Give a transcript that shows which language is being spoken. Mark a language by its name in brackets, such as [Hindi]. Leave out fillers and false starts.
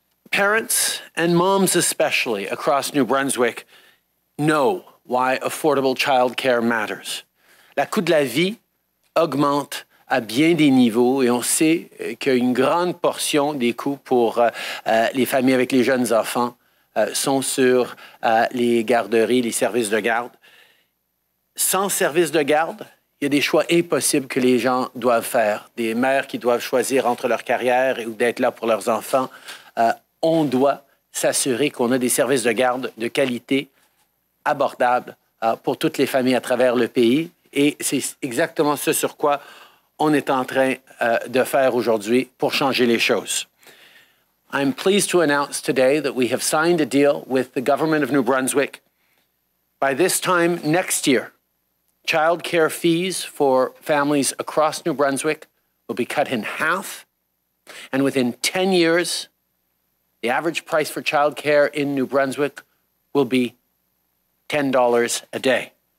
[English] Parents and moms especially across New Brunswick know why affordable child care matters. [French] La coût de la vie augmente à bien des niveaux et on sait qu'une grande portion des coûts pour les familles avec les jeunes enfants sont sur les garderies, les services de garde. Sans services de garde, il y a des choix impossibles que les gens doivent faire. Des mères qui doivent choisir entre leur carrière ou d'être là pour leurs enfants. On doit s'assurer qu'on a des services de garde de qualité abordable pour toutes les familles à travers le pays. Et c'est exactement ce sur quoi on est en train de faire aujourd'hui pour changer les choses. [English] I'm pleased to announce today that we have signed a deal with the government of New Brunswick. By this time next year, child care fees for families across New Brunswick will be cut in half. And within 10 years, the average price for child care in New Brunswick will be $10 a day.